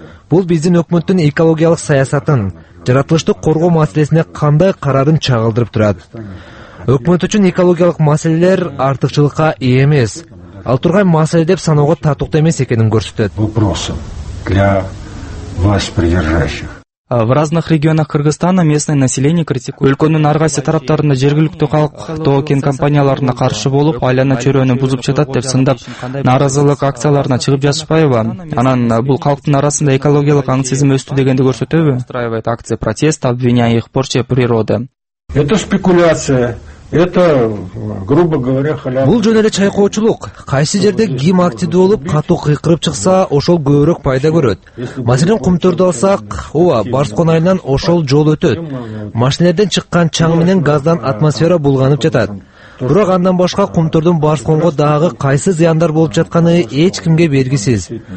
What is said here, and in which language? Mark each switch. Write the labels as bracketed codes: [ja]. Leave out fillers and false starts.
[ky] Бул биздин өкмөттүн экологиялык саясатын, жаратылышты коргоо маселесине кандай карарын чагылдырып турат. Өкмөт үчүн экологиялык маселелер артыкчылыкка ээ эмес, ал турган маселе деп саноого татыктуу эмес экенин көрсөтөт. [ru] В разных регионах Кыргызстана местное население критикует. [ky] Өлкөнүн ар кайсы тараптарында жергиликтүү калк тоо-кен компанияларына каршы болуп, айлана чөйрөнү бузуп жатат деп сындап, нааразылык акцияларына чыгып жатышпайбы? Анан бул калктын арасында экологиялык аң сезим өстү дегенди көрсөтөбү? [ru] Устраивает акция протеста, обвиняя их в порче природы. Это спекуляция. Это, грубо говоря, халява. [ky] Бул жөн эле чайкоочулук. Кайсы жерде ким активдүү болуп, катуу кыйкырып чыкса, ошол көбүрөөк пайда көрөт. Маселен, Кумтөрдү алсак, ооба, Барскон айынан ошол жол өтөт. Машинелерден чыккан чаң менен газдан атмосфера булганып жатат. Бирок андан башка кумтордун Барсконго дагы кайсы зыяндар болуп жатканы эч кимге белгисиз.